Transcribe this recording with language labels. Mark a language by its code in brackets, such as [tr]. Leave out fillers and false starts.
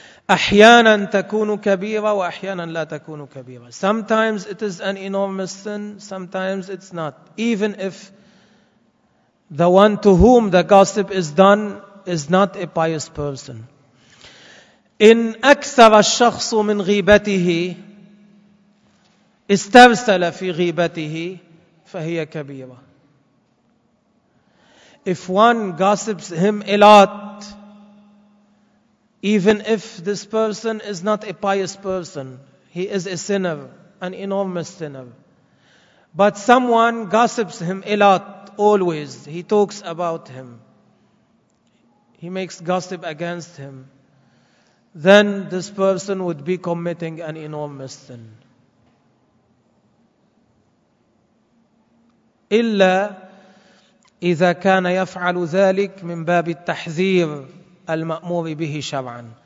[ar] أحيانا تكون كبيرة وأحيانا لا تكون كبيرة. [en] Sometimes it is an enormous sin, sometimes it's not. Even if the one to whom the gossip is done is not a pious person. [ar] إن أكثر الشخص من غيبته استرسل في غيبته فهي كبيرة. [en] If one gossips him a lot, even if this person is not a pious person, he is a sinner, an enormous sinner. But someone gossips him a lot, always. He talks about him. He makes gossip against him. Then this person would be committing an enormous sin. [ar] إلا إذا كان يفعل ذلك من باب التحذير المأمور به شرعا.